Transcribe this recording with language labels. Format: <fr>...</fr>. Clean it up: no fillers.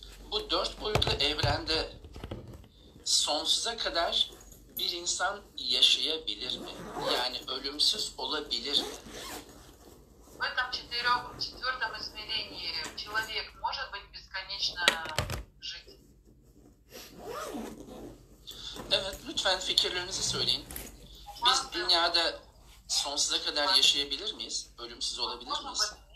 <tr>Bu 4 boyutlu evrende sonsuza kadar bir insan yaşayabilir mi? Yani ölümsüz olabilir mi?</tr> <ru>В этом четвертом измерении человек может быть бесконечно жить?</ru> <tr>Evet, lütfen fikirlerinizi söyleyin. Biz dünyada sonsuza kadar yaşayabilir miyiz? Ölümsüz olabilir miyiz?</tr>